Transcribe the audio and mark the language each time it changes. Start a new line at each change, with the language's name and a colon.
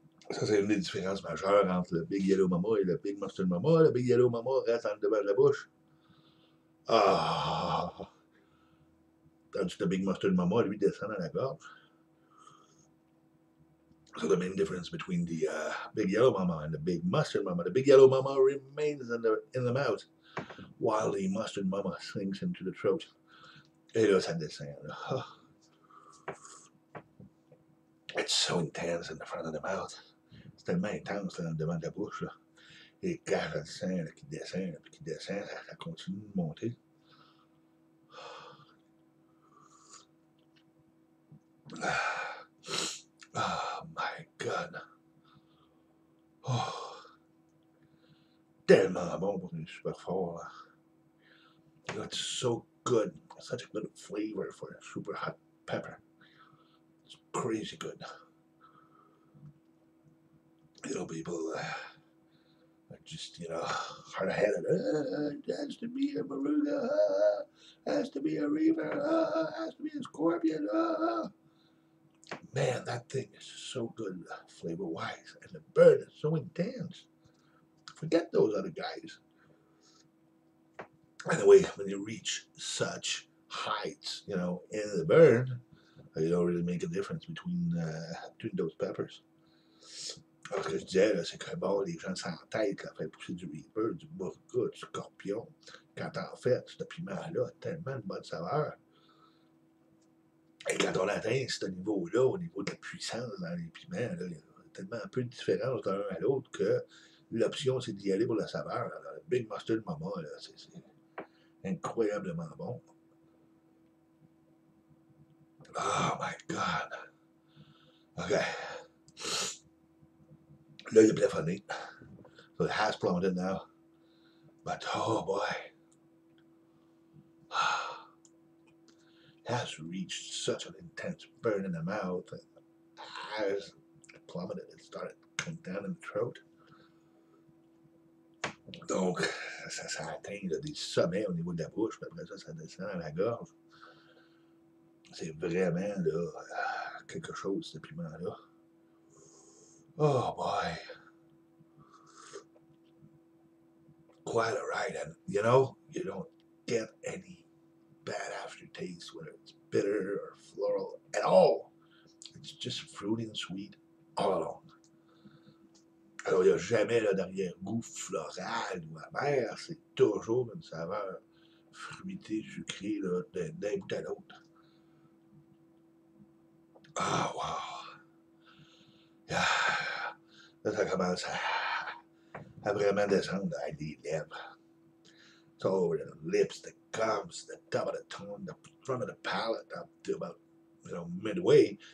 French: Ça, c'est une des différences majeures entre le Big Yellow Mama et le Big Mustard Mama. Le Big Yellow Mama reste en devant la bouche. Tandis que le Big Mustard Mama, lui, descend dans la gorge.
English: So the main difference between the Big Yellow Mama and the Big Mustard Mama, the Big Yellow Mama remains in the mouth, while the Mustard Mama sinks into the throat.
French: Et là, ça descend.
English: Oh. It's so intense in the front of the mouth.
French: C'est tellement intense là, devant la bouche. Là. Et quand ça descend, qui descend, ça continue de monter.
English: Oh my God!
French: Oh, tellement bon pour une super fort.
English: That's so good. Such a good flavor for a super hot pepper. It's crazy good. You know, people are just, you know, hard headed. Has to be a Maruga. Has to be a Reaver. Has to be a Scorpion. Man, that thing is so good flavor-wise, and the burn is so intense. Forget those other guys. Anyway, when you reach such heights, you know, in the burn, you don't really make a difference between those peppers.
French: Parce que je disais, là, c'est que bon, les gens sans tête, ça fait pousser du Reaper, du Mourga, du Scorpion. Quand en fait, ce piment-là a tellement de bonne saveur. Et quand on atteint ce niveau-là, au niveau de la puissance dans les piments, là, il y a tellement un peu de différence d'un à l'autre que l'option, c'est d'y aller pour la saveur. Alors, le Big Mustard Mama, là, c'est incroyablement bon.
English: Oh my God! OK.
French: Là, il a plafonné.
English: So it has plummeted now. But oh boy! Has reached such an intense burn in the mouth, and has plummeted. It started coming down in the throat.
French: Donc, ça s'est atteint là, des sommets au niveau de la bouche, puis après ça, ça descend à la gorge. C'est vraiment là, quelque chose, ce piment-là.
English: Oh boy! Quite a ride, and you know, you don't get any bad aftertaste, whether it's bitter or floral at all. It's just fruity and sweet all along.
French: Alors, il n'y a jamais d'arrière-goût floral ou amer. C'est toujours une saveur fruitée, sucrée, là, d'un bout à l'autre. Ah, oh, wow! Yeah. Là, ça commence à vraiment descendre à les lèvres.
English: It's all over the lips, the gums, the top of the tongue, the front of the palate, up to about, you know, midway.